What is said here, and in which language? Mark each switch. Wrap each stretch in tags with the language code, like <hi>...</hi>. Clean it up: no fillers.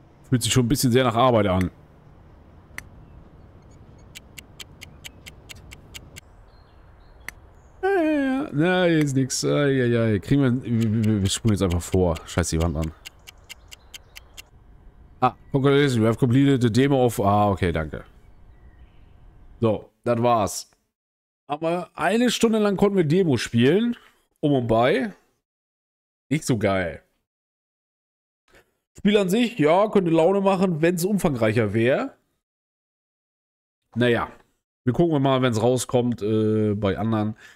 <de>Fühlt sich schon ein bisschen sehr nach Arbeit an. Na, hier ist nichts. Kriegen wir spulen jetzt einfach vor. Scheiß die Wand an.</de> <en>Ah, congratulations, we have completed the demo of...</en> <de>Ah, okay, danke. So, das war's. Aber eine Stunde lang konnten wir Demo spielen. Um und bei. Nicht so geil. Spiel an sich, ja, könnte Laune machen, wenn es umfangreicher wäre. Naja, wir gucken mal, wenn es rauskommt bei anderen.</de>